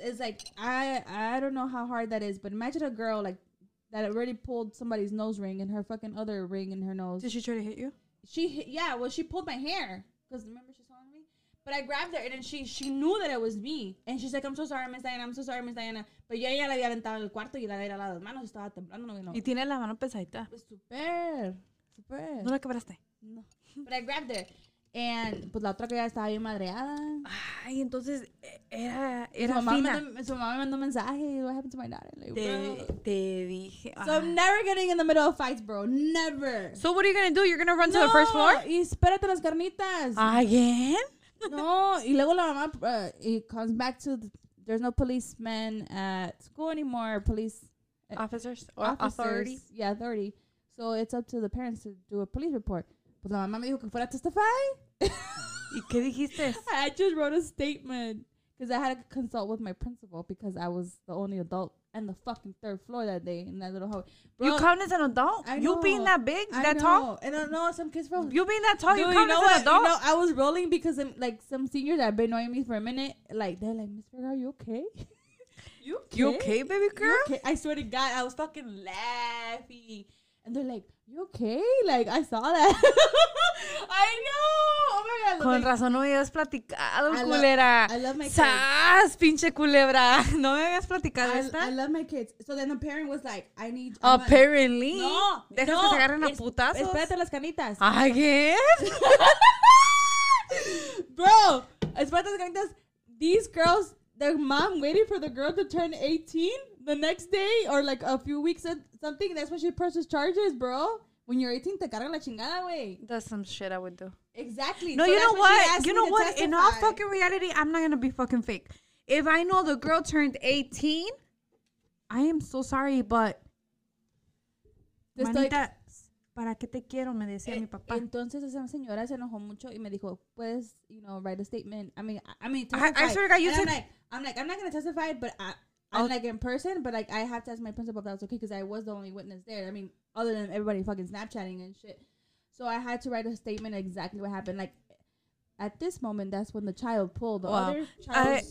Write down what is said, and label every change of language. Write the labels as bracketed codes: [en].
[en] It's like, I don't know how hard that is, but imagine a girl like that already pulled somebody's nose ring and her fucking other ring in her nose. Did she try to hit you? She yeah, well, she pulled my hair because remember she's calling me. But I grabbed her and then she knew that it was me and she's like, "I'm so sorry, Miss Diana. I'm so sorry, Miss Diana." But yeah, [es] ella le había aventado el cuarto y la había lavado las manos. Estaba temblando, [en] you know. [es] Y tiene la mano pesadita. Pues super, super. ¿No la quebraste? [en] No. But I grabbed her. [es] And pues la otra que ya estaba bien madreada. Ay, entonces era fina. Su mamá me mandó mensaje. [en] What happened to my daughter? Like, [es] te dije. [en] So I'm never getting in the middle of fights, bro. Never. So what are you going to do? You're going to run to the first floor? [es] Y espérate las carnitas. [en] ¿Again? No. [es] Y luego la mamá, [en] it comes back to, there's no policemen at school anymore. Police. Officers. Or officers. Authority. Yeah, authority. So it's up to the parents to do a police report. [es] Pues la mamá me dijo que fuera a testify. ¿Y qué dijiste? [en] I just wrote a statement because I had to consult with my principal because I was the only adult in the fucking third floor that day in that little hallway. Bro, you count as an adult? You being that big? Tall? I don't know. Some kids from... You being that tall? Dude, you count as an adult? You know, I was rolling because like some seniors that have been annoying me for a minute, like they're like, "Miss Vega, are you okay? You okay, baby girl? Okay?" I swear to God, I was fucking laughing. And they're like, "You okay? Like, I saw that." I know. Oh my God. [es] Con [en] like, [es] razón no me habías platicado, culera. [en] I love my kids. [es] ¡Sas, pinche culebra! No me habías platicado esta. [en] I love my kids. So then the parent was like, "I need." Apparently. No. [es] Deja que se agarren a putazos. Espérate las canitas. [en] ¿Again? [es] Bro, espérate las canitas. [en] These girls, their mom waiting for the girl to turn 18. The next day, or like a few weeks or something, that's when she presses charges, bro. When you're 18, [es] te cargan la chingada, güey. [en] That's some shit I would do. Exactly. No, so you know what? You know what? Testify. In all fucking reality, I'm not going to be fucking fake. If I know the girl turned 18, I am so sorry, but... [es] Manita, ¿para qué te quiero? Me decía mi papá. Entonces, esa señora se enojó mucho y me dijo, puedes, [en] you know, write a statement. I swear to God, you said... I'm like, I'm not going to testify, but... I'm like in person, but like I had to ask my principal if that was okay because I was the only witness there. I mean, other than everybody fucking Snapchatting and shit. So I had to write a statement exactly what happened. Like at this moment, that's when the child pulled the other child's